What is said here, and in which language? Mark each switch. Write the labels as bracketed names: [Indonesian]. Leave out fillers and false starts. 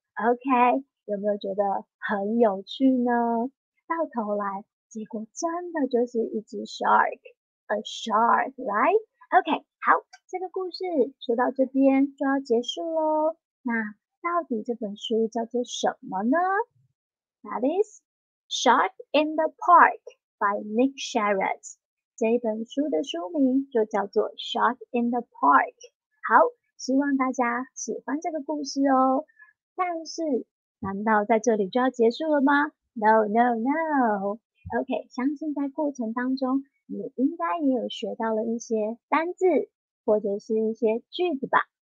[Chinese] OK，有没有觉得很有趣呢？到头来，结果真的就是一只 shark， [English] a shark，right？ [Chinese] OK，、okay, 好，这个故事说到这边就要结束喽。那到底这本书叫做什么呢？ [English] That is Shark in the Park by Nick Sherratt。 [Chinese] 这本书的书名就叫做 Shark in the Park。好，希望大家喜欢这个故事哦。但是难道在这里就要结束了吗？ [English] No, no, no。 [Chinese] OK, 相信在过程当中你应该也有学到了一些单字或者是一些句子吧。